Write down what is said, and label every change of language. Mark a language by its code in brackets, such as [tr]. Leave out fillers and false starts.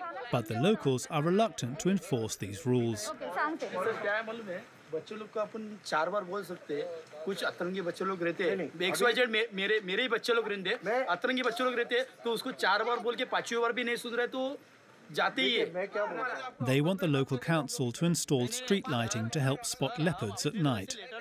[en] But the locals are reluctant to enforce these rules. [hi] बच्चों लोग को अपन चार बार बोल सकते हैं कुछ अतरंगी बच्चे लोग रहते हैं एक्स वाई जेड मेरे मेरे ही बच्चे लोग रहते हैं अतरंगी बच्चे लोग रहते हैं तो उसको चार बार बोल के पांचवी बार भी नहीं सुन रहे तो जाते ही है [en] They want the local council to install street lighting to help spot leopards at night.